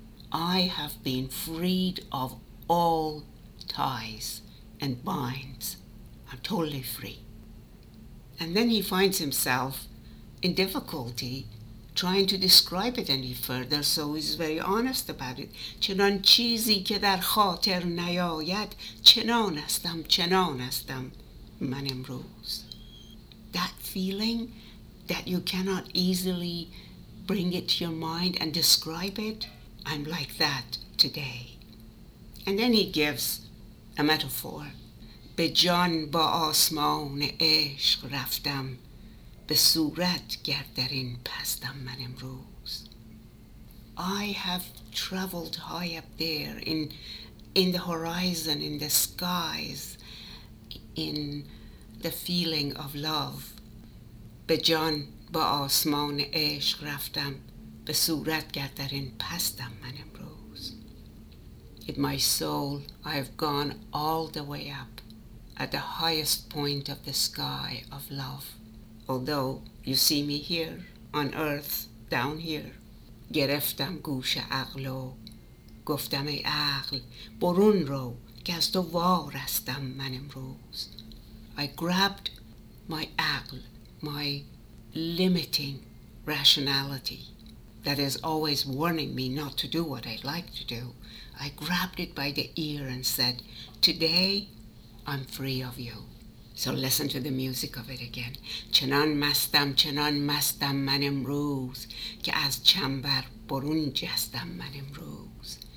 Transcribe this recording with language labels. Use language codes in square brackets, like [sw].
[en] I have been freed of all ties and binds. I'm totally free. And then he finds himself in difficulty trying to describe it any further, so he's very honest about it. [fa] چنان چیزی که در خاطر نیاید چنان استم من امروز. [en] That feeling that you cannot easily bring it to your mind and describe it, I'm like that today. And then he gives a metaphor. [fa] به جان با آسمان عشق رفتم به صورت گردرین پستم من امروز. [en] I have traveled high up there in the horizon, in the skies, in the feeling of love. [fa] به جان با آسمان عشق رفتم به صورت گردرین پستم من امروز. [en] In my soul, I have gone all the way up at the highest point of the sky of love. Although you see me here on earth, down here. [fa] گرفتم گوش عقل و گفتم ای عقل برون رو که از تو وارستم من امروز. [en] I grabbed my عقل, my limiting rationality that is always warning me not to do what I'd like to do. I grabbed it by the ear and said, today I'm free of you. So listen to the music of it again. [fa] چنان مستم من امروز که از چنبر برون جستم من امروز.